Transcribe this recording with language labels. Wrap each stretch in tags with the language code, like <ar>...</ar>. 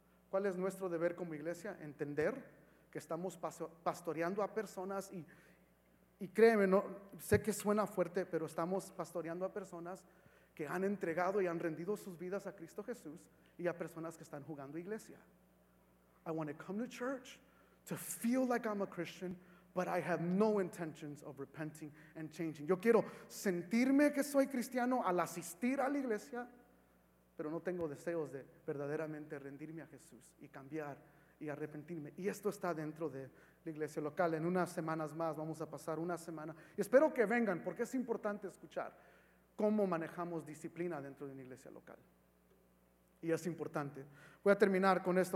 <es>¿Cuál es nuestro deber como iglesia? Entender que estamos pastoreando a personas, y créeme, no, sé que suena fuerte, pero estamos pastoreando a personas que han entregado y han rendido sus vidas a Cristo Jesús, y a personas que están jugando iglesia.</es> <en>I want to come to church to feel like I'm a Christian, but I have no intentions of repenting and changing.</en> <es>Yo quiero sentirme que soy cristiano al asistir a la iglesia, pero no tengo deseos de verdaderamente rendirme a Jesús y cambiar y arrepentirme. Y esto está dentro de la iglesia local. En unas semanas más vamos a pasar una semana. Y espero que vengan, porque es importante escuchar cómo manejamos disciplina dentro de una iglesia local. Y es importante. Voy a terminar con esto.</es>